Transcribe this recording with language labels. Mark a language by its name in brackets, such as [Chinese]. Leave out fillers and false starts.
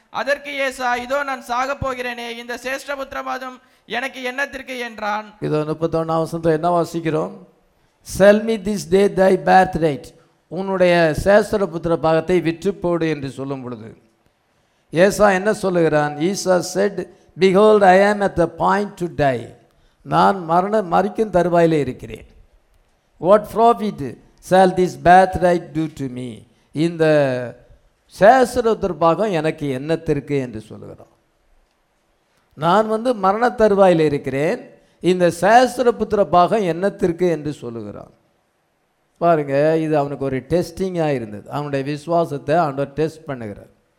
[Tamil] அதற்கு ஏசா, இதோ நான் சாக போகிறேனே, இந்த சேஷ்ட புத்திர பாவம் எனக்கு என்னத்திற்கு என்றான். இதோ 31 என்ன வாசிக்கிறோம்? [English] Sell me this day thy birthright. [Tamil] உன்னுடைய சேஷ்ட புத்திர பாகத்தை விற்று போடு என்று சொல்லும் பொழுது ஏசா என்ன சொல்லுகிறான்? [English] ஈசா said, behold, I am at the point to die. [Tamil] நான் மரிக்கும் தருவாயில் இருக்கிறேன். [English] What profit shall this birthright do to me? [Tamil] இந்த சேஷ்ட பாகம் எனக்கு என்னத்திற்கு என்று சொல்லுகிறோம். நான் வந்து மரண தருவாயில் இருக்கிறேன், இந்த சேஷ்டபுத்திர பாகம் என்னத்திற்கு என்று சொல்லுகிறான். பாருங்க, இது அவனுக்கு ஒரு டெஸ்டிங்காக இருந்தது. அவனுடைய விசுவாசத்தை அவன் டெஸ்ட் பண்ணுகிறார்.